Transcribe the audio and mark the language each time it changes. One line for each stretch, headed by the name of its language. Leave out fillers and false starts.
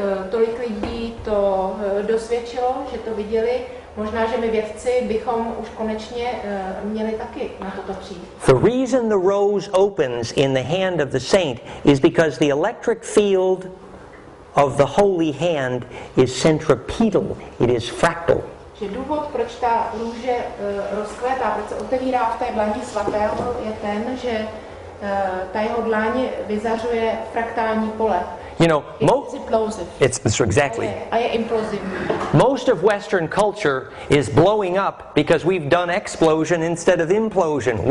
Czech: Tolik lidí to dosvědčilo, že to viděli. Možná, že my vědci bychom už konečně měli taky na toto přijít.
English: The reason the rose opens in the hand of the saint is because the electric field of the holy hand is centripetal. It is fractal.
Czech: že důvod, proč ta růže rozkvétá, proč se otevírá v té dlani svatého, je ten, že ta jeho dlaň vyzařuje fraktální pole.
English: You know, it's exactly. Most of Western culture is blowing up because we've done explosion instead of implosion.